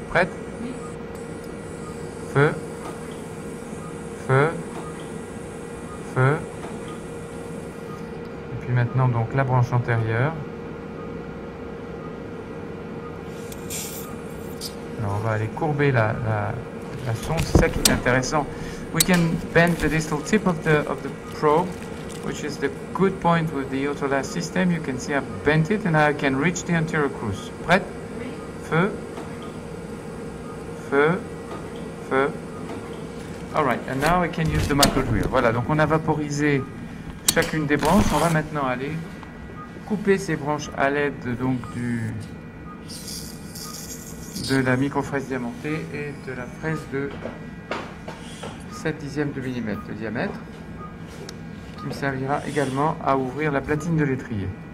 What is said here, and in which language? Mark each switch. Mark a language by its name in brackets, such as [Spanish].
[French] Prête ? Feu. Feu. Feu. Et puis maintenant, donc, la branche antérieure. Alors on va aller courber la sonde, c'est ça qui est intéressant. [English] We can bend the distal tip of the probe, which is the good point with the autolase system. You can see I've bent it and I can reach the anterior crus. [French] Prête? Oui. Feu. Feu. Feu. [English] All right, and now I can use the macro drill. [French] Voilà, donc on a vaporisé chacune des branches. On va maintenant aller couper ces branches à l'aide donc de la microfraise diamantée et de la fraise de 7 dixièmes de millimètre de diamètre qui me servira également à ouvrir la platine de l'étrier.